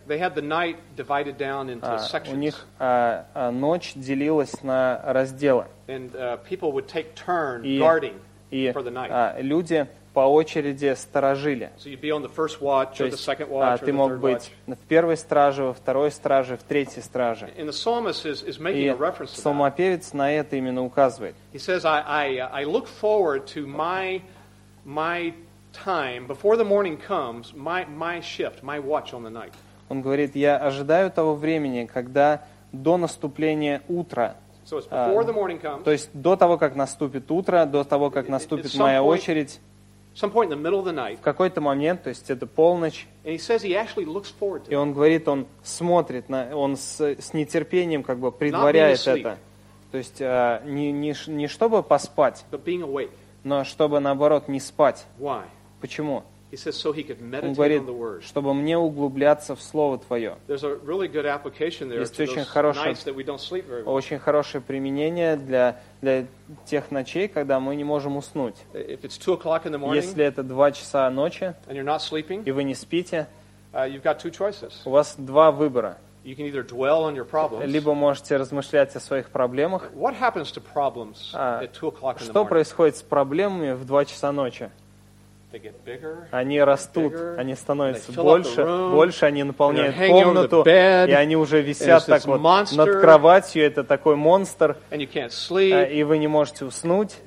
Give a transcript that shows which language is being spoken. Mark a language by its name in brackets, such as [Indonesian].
[English] they had the night divided down into sections. [Russian] У них ночь делилась на разделы. [English] And people would take turns guarding for the night. [Russian] Люди по очереди сторожили. [English] So you'd be on the first watch or the second watch or [Russian] ты мог быть в первой страже, во второй страже, в третьей страже. [English] And the psalmist is making a reference to that. [Russian] Псалмопевец на это именно указывает. [English] He says, I look forward to my time before the morning comes, my shift, my watch on the night. [Russian] Он говорит, я ожидаю того времени, когда до наступления утра. [English] So it's before the morning comes. [Russian] То есть до того, как наступит утро, до того, как наступит моя очередь. [English] Some point in the middle of the night. [Russian] В какой-то момент, то есть это полночь. [English] And he says he actually looks forward to. [Russian] И он говорит, он смотрит на, он с нетерпением как бы предваряет это. То есть не чтобы поспать. [English] But being awake. [Russian] Но чтобы, наоборот, не спать. [English] Why? [Russian] Почему? [English] He says, so he could meditate [Russian] он говорит, [English] on the word. [Russian] Чтобы мне углубляться в Слово Твое. [English] There's a really good application there [Russian] есть очень хорошее применение для тех ночей, когда мы не можем уснуть. [English] If it's 2 o'clock in the morning, [Russian] если это 2 часа ночи, [English] and you're not sleeping, [Russian] и вы не спите, [English] you've got two choices. [Russian] У вас два выбора. [English] You can either dwell on your problems. [Russian] Либо можете размышлять о своих проблемах. [English] What happens to problems at 2 o'clock in the morning? [Russian] Что происходит с проблемами в 2 часа ночи? [English] They get bigger. [Russian] Они растут, они становятся больше, они наполняют комнату, и они уже висят так вот над кроватью, это такой монстр. [English] And you can't sleep. [Russian] И вы не можете уснуть.